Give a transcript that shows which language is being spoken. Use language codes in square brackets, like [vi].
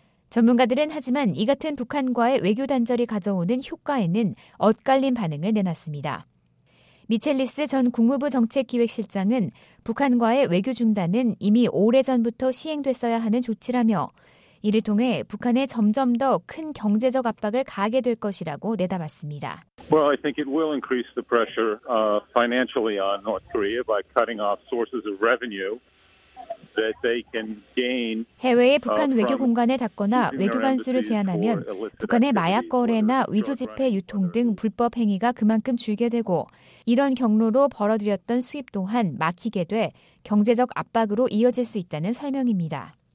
[ko] 전문가들은 하지만 이 같은 북한과의 외교 단절이 가져오는 효과에는 엇갈린 반응을 내놨습니다. 미첼리스 전 국무부 정책기획실장은 북한과의 외교 중단은 이미 오래전부터 시행됐어야 하는 조치라며 이를 통해 북한에 점점 더 큰 경제적 압박을 가하게 될 것이라고 내다봤습니다. [en] Well, I think it will increase the pressure financially on North Korea by cutting off sources of revenue. [ko] 해외의 북한 외교 공간을 닫거나 외교관 수를 제한하면 북한의 마약 거래나 위조 지폐 유통 등 불법 행위가 그만큼 줄게 되고 이런 경로로 벌어들였던 수입 또한 막히게 돼 경제적 압박으로 이어질 수 있다는 설명입니다.